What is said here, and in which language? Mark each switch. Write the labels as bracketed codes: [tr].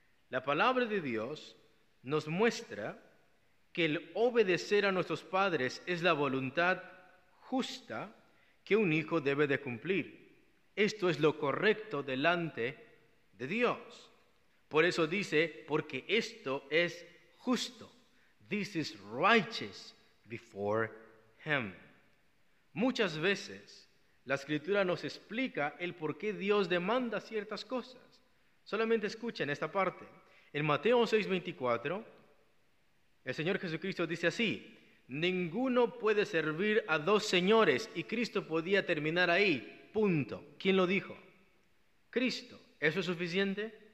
[es] La palabra de Dios nos muestra que el obedecer a nuestros padres es la voluntad justa que un hijo debe de cumplir. Esto es lo correcto delante de Dios. Por eso dice, porque esto es justo. [en] This is righteous before Him. [es] Muchas veces la Escritura nos explica el por qué Dios demanda ciertas cosas. Solamente escuchen esta parte. En Mateo 6:24, el Señor Jesucristo dice así, ninguno puede servir a dos señores, y Cristo podía terminar ahí, punto. ¿Quién lo dijo? Cristo. ¿Eso es suficiente?